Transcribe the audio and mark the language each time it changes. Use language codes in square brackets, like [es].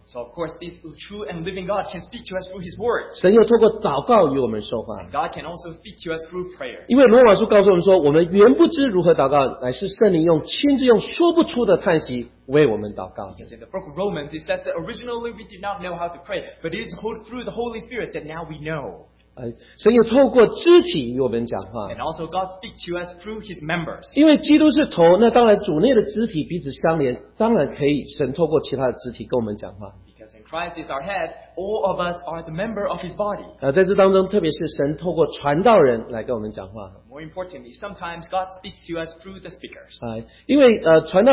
[en] So of course, this true and living God can speak to us through His Word. [zh] 神又透过祷告与我们说话。 [en] God can also speak to us through prayer. [zh] 因为罗马书告诉我们说，我们原不知如何祷告，乃是圣灵用亲自用说不出的叹息为我们祷告。 [en] Because in the book of Romans, it says that originally we did not know how to pray, but it is through the Holy Spirit that now we know. [zh] 神又透过肢体与我们讲话。 [en] And also God speaks to us through His members. [zh] 因为基督是头，那当然主内的肢体彼此相连，当然可以神透过其他的肢体跟我们讲话。 [en] Because in Christ is our head, all of us are the member of His body. [zh] 在这当中，特别是神透过传道人来跟我们讲话。 [en] More importantly, sometimes God speaks to us through the speakers.